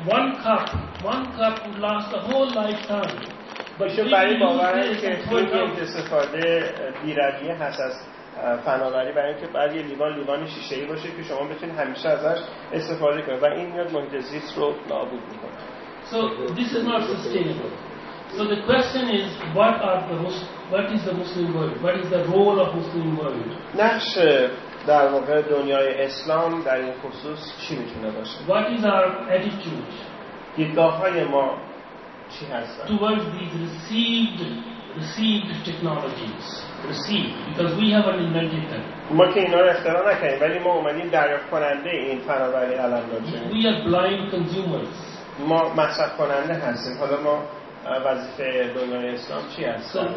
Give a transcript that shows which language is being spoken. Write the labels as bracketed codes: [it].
[en] One cup would last the whole lifetime. [fa] باشه برای باور که این استفاده بی‌رویه هست از فناوری، برای اینکه بعد یه لیوان شیشه‌ای باشه که شما بتونید همیشه ازش استفاده کنید و این میاد محیط زیست رو نابود می‌کنه. [en] So this is not sustainable. So the question is, what is the Muslim world? What is the role of Muslim world? [fa] نقش در واقع دنیای اسلام در این خصوص چی میتونه باشه؟ [en] What is our attitude? [fa] دیدگاه‌های ما چی هست؟ [en] Towards these received technologies, received, because we haven't invented them. [fa] ما که اینا رو اختراع نکردیم، ولی ما اومدیم دریافت کننده این فناوری الان باشیم. [en] We are blind consumers. [fa] ما مصرف کننده هستیم. حالا ما وظیفه دنیای اسلام چی است؟